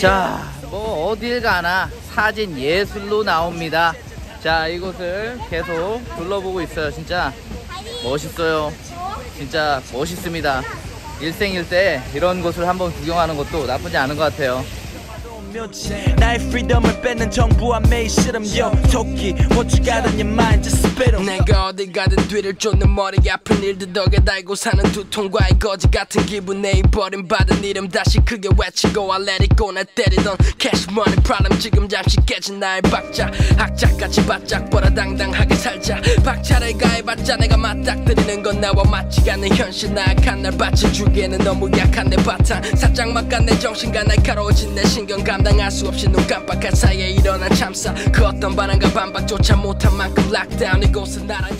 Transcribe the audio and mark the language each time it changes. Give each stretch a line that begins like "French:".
Korean: 자, 뭐 어딜 가나 사진 예술로 나옵니다. 자, 이곳을 계속 둘러보고 있어요. 진짜 멋있어요. 진짜 멋있습니다. 일생일대 이런 곳을 한번 구경하는 것도 나쁘지 않은 것 같아요. 나의 프리덤을 뺏는 정부와 매일 싫음.
English: Yo,
Korean: 토끼
English: what you got on your mind just spit 'em.
Korean: 내가 어디 가든 뒤를 쫓는 머리 아픈 일도 덕에 달고 사는 두통과의 거지 같은 기분 내 버림받은 이름 다시 크게 외치고
English: I let it go
Korean: 날 때리던
English: cash money problem
Korean: 지금 잠시 깨진 나의 박자 악착같이 바짝 벌어 당당하게 살자 박차를 가해봤자 내가 맞닥뜨리는 건 나와 맞지 않는 현실 나약한 날 받쳐주기에는 너무 약한 내 바탕 살짝 막간 내 정신과 날카로워진 내 신경 감당할 수 없이 눈 깜빡할 사이에 일어난 참사 그 어떤 반응과 반박조차 못한 만큼 락다운 이곳은 나란